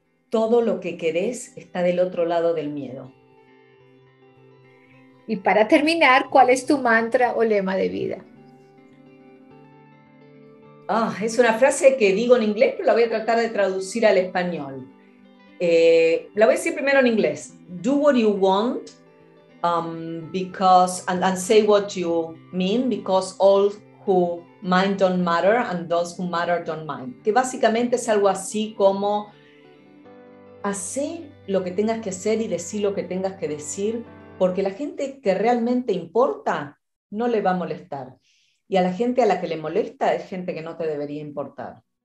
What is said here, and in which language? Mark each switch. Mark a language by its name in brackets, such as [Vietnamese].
[Spanish] Todo lo que querés está del otro lado del miedo. Y para terminar, ¿cuál es tu mantra o lema de vida? Ah, es una frase que digo en inglés, pero la voy a tratar de traducir al español. La voy a decir primero en inglés. [English] Do what you want, because and say what you mean, because all who mind don't matter and those who matter don't mind. [Spanish] Que básicamente es algo así como hacé lo que tengas que hacer y decí lo que tengas que decir, porque la gente que realmente importa no le va a molestar. Y a la gente a la que le molesta es gente que no te debería importar.